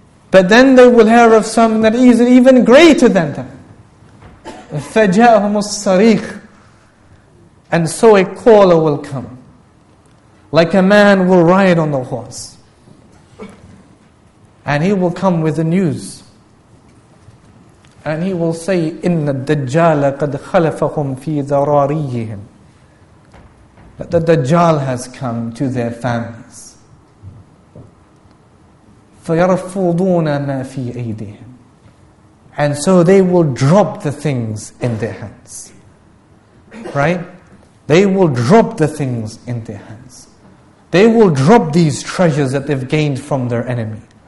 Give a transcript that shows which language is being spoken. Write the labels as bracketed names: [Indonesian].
[English] But then they will hear of something that is even greater than that. [Arabic] فَجَاءَهُمُ الصَّرِيخُ. [English] And so a caller will come, like a man will ride on the horse. And he will come with the news. And he will say, [Arabic] إِنَّ الدَّجَّالَ قَدْ خَلَفَهُمْ فِي ذَرَارِيِّهِمْ. [English] That the Dajjal has come to their families. [Arabic] فَيَرْفُضُونَ مَا فِي أَيْدِهِمْ. [English] And so they will drop the things in their hands. Right? They will drop the things in their hands. They will drop these treasures that they've gained from their enemy.